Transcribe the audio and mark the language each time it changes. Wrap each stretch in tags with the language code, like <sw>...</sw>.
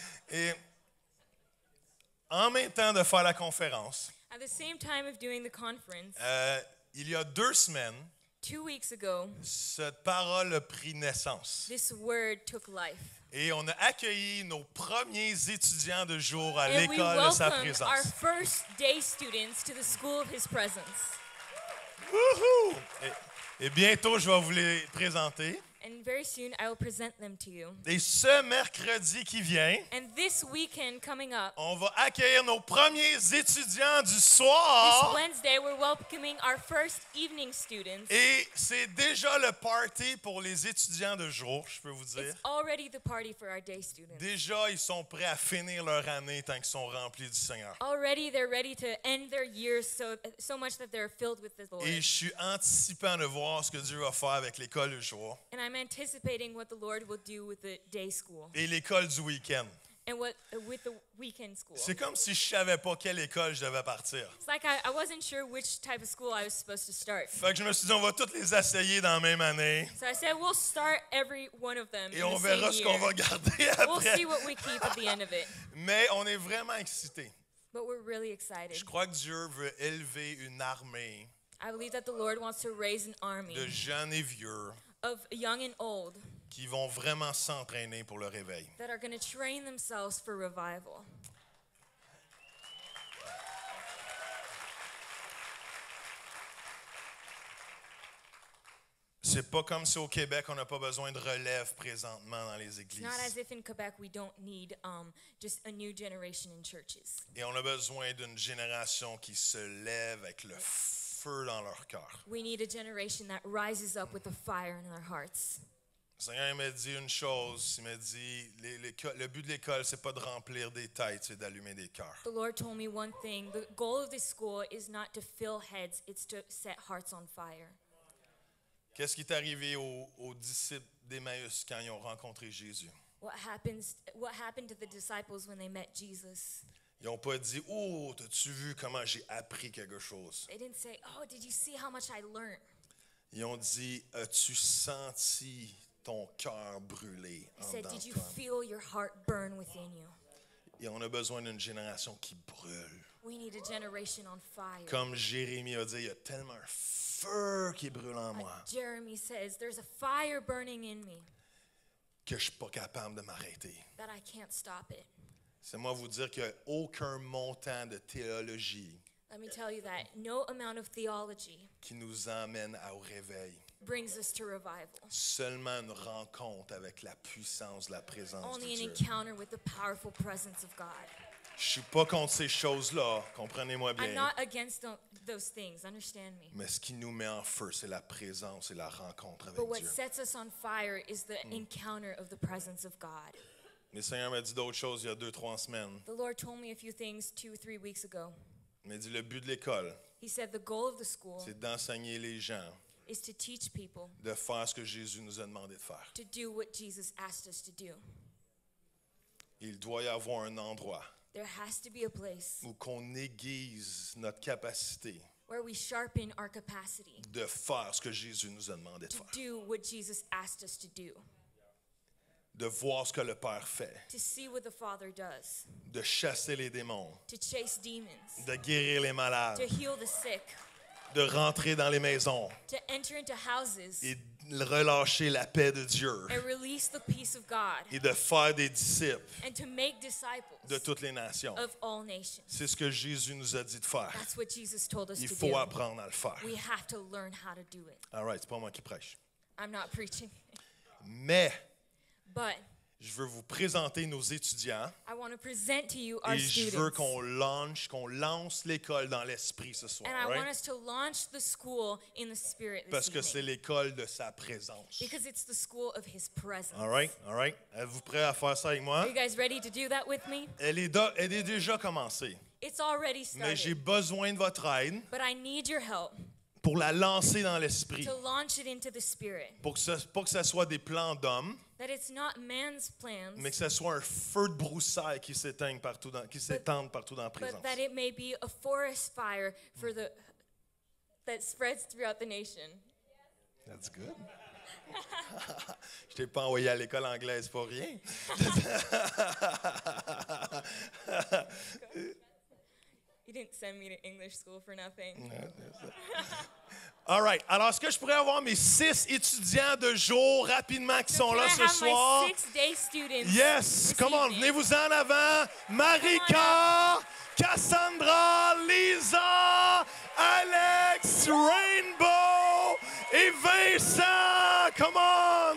<fr>Et, en même temps de faire la conférence,</fr> <en>at the same time of doing the conference,</en> <fr>il y a deux semaines,</fr> <en>2 weeks ago,</en> <fr>cette parole a pris naissance.</fr> <en>This word took life.</en> <fr>Et on a accueilli nos premiers étudiants de jour à l'école de sa présence.</fr> <en>And we welcome our first day students to the school of his presence.</en> <fr>Woohoo! Et bientôt, je vais vous les présenter.</fr> <en>And very soon, I will present them to you.</en> <fr>Et ce mercredi qui vient,</fr> <en>and this weekend coming up,</en> <fr>on va accueillir nos premiers étudiants du soir.</fr> <en>This Wednesday, we're welcoming our first evening students.</en> <fr>Et c'est déjà le party pour les étudiants de jour, je peux vous dire.</fr> <en>It's already the party for our day students.</en> <fr>Déjà, ils sont prêts à finir leur année tant qu'ils sont remplis du Seigneur.</fr> <en>Already, they're ready to end their years so much that they're filled with the Lord.</en> <fr>Et je suis anticipant de voir ce que Dieu va faire avec l'école du jour.</fr> <en>And I'm anticipating what the Lord will do with the day school.</en> <fr>Et l'école du week-end.</fr> <en>And what with the weekend school.</en> <fr>C'est comme si je savais pas quelle école je devais partir.</fr> <en>It's like I wasn't sure which type of school I was supposed to start.</en> <fr>Fait que je me suis dit, on va toutes les essayer dans la même année.</fr> <en>So I said, we'll start every one of them</en> <fr>et</fr> <en>in</en> <fr>on</fr> <en>the</en> <fr>verra ce</fr> <en>year.</en> <fr>Qu'on va garder après.</fr> <en>We'll see what we keep at the end of it.</en> <fr>Mais on est vraiment excités.</fr> <en>But we're really excited.</en> <fr>Je crois que Dieu veut élever une armée.</fr> <en>I believe that the Lord wants to raise an army.</en> <fr>De jeunes et vieux.</fr> <en>Of young and old,</en> <fr>qui vont vraiment s'entraîner pour le réveil.</fr> <en>That are going to train themselves for revival.</en> <fr>C'est pas comme si au Québec on n'a pas besoin de relève présentement dans les églises.</fr> <en>Not as if in Quebec we don't need just a new generation in churches.</en> <fr>Et on a besoin d'une génération qui se lève avec le feu dans leur cœur.</fr> <en>We need a generation that rises up with a fire in their hearts.</en> <fr>Le Seigneur m'a dit une chose. Il m'a dit le but de l'école c'est pas de remplir des têtes, c'est d'allumer des cœurs.</fr> <en>The Lord told me one thing. The goal of this school is not to fill heads, it's to set hearts on fire.</en> <fr>Qu'est-ce qui est arrivé aux disciples d'Emmaüs quand ils ont rencontré Jésus?</fr> <en>What happened to the disciples when they met Jesus?</en> <fr>Ils n'ont pas dit, oh, t'as-tu vu comment j'ai appris quelque chose?</fr> <en>They didn't say, oh, did you see how much I learned?</en> <fr>Ils ont dit, as-tu senti ton cœur brûler en dedans?</fr> <en>They said, did you feel your heart burn within you?</en> <fr>Et on a besoin d'une génération qui brûle.</fr> <en>We need a generation on fire.</en> <fr>Comme Jérémie a dit, il y a tellement un feu qui brûle en moi.</fr> <en>Jeremy says, there's a fire burning in me.</en> <fr>Que je suis pas capable de m'arrêter.</fr> <en>That I can't stop it.</en> <fr>C'est moi vous dire qu'il n'y a aucun montant de théologie.</fr> <en>Let me tell you that no amount of theology</en> <fr>qui nous amène au réveil.</fr> <en>Brings us to revival.</en> <fr>Seulement une rencontre avec la puissance, la présence</fr> <en>only</en> <fr>de Dieu.</fr> <en>Only an encounter with the powerful presence of God.</en> <fr>Je suis pas contre ces choses-là, comprenez-moi bien.</fr> <en>I'm not against those things, understand me.</en> <fr>Mais ce qui nous met en feu, c'est la présence et la rencontre avec Dieu.</fr> <en>But what sets us on fire is the encounter of the presence of God.</en> <fr>Mais le Seigneur m'a dit d'autres choses il y a 2-3 semaines.</fr> <en>The Lord told me a few things 2-3 weeks ago.</en> <fr>Il m'a dit le but de l'école.</fr> <en>He said the goal of the school.</en> <fr>C'est d'enseigner les gens.</fr> <en>Is to teach people.</en> <fr>De faire ce que Jésus nous a demandé de faire.</fr> <en>To do what Jesus asked us to do.</en> <fr>Il doit y avoir un endroit.</fr> <en>There has to be a place</en> <fr>où qu'on aiguise notre capacité</fr> <en>where we sharpen our capacity</en> <fr>de faire ce que Jésus nous a demandé de faire.</fr> <en>To do what Jesus asked us to do.</en> <fr>De voir ce que le Père fait.</fr> <en>To see what the Father does.</en> <fr>De chasser les démons.</fr> <en>To chase demons.</en> <fr>De guérir les malades.</fr> <en>To heal the sick.</en> <fr>De rentrer dans les maisons.</fr> <en>To enter into houses.</en> <fr>Et relâcher la paix de Dieu.</fr> <en>And release the peace of God.</en> <fr>Et de faire des disciples.</fr> <en>And to make disciples.</en> <fr>De toutes les nations.</fr> <en>Of all nations.</en> <fr>C'est ce que Jésus nous a dit de faire.</fr> <en>That's what Jesus told us to do.</en> <fr>Il faut apprendre à le faire.</fr> <en>We have to learn how to do it. All right,</en> <fr>c'est pas moi qui prêche.</fr> <en>I'm not preaching.</en> <fr>Mais</fr> <en>but</en> <fr>je veux vous présenter nos étudiants.</fr> <en>I want to present to you our</en> <fr>et je</fr> <en>students.</en> <fr>Veux qu'on lance l'école dans l'esprit ce soir.</fr> <en>And right? I want us to launch the school in the spirit this</en> <fr>parce que</fr> <en>evening.</en> <fr>C'est l'école de sa présence.</fr> <en>Because it's the school of his presence. All right.</en> <fr>Êtes-vous prêts à faire ça avec moi?</fr> <en>Are you guys ready to do that with me?</en> <fr>Elle est déjà commencée.</fr> <en>It's already started.</en> <fr>Mais j'ai besoin de votre aide.</fr> <en>But I need your help.</en> <fr>Pour la lancer dans l'esprit.</fr> <en>To launch it into the spirit.</en> <fr>Pour que ce soit des plans d'hommes.</fr> <en>That it's not man's plans,</en> <fr>mais que ce soit un feu de broussailles qui s'éteigne partout dans, qui s'étende partout dans la présence.</fr> <en>But that it may be a forest fire for the that spreads throughout the nation. That's good.</en> <fr>Je t'ai pas envoyé à l'école anglaise pour rien.</fr> <en>You didn't send me to English school for nothing. All right.</en> <fr>Alors, est-ce que je pourrais avoir mes six étudiants de jour rapidement qui sont là ce soir?</fr> <en>Yes. Come on,</en> <fr>venez-vous en avant. Marika, Cassandra, Lisa, Alex, Rainbow et Vincent.</fr> <en>Come on.</en>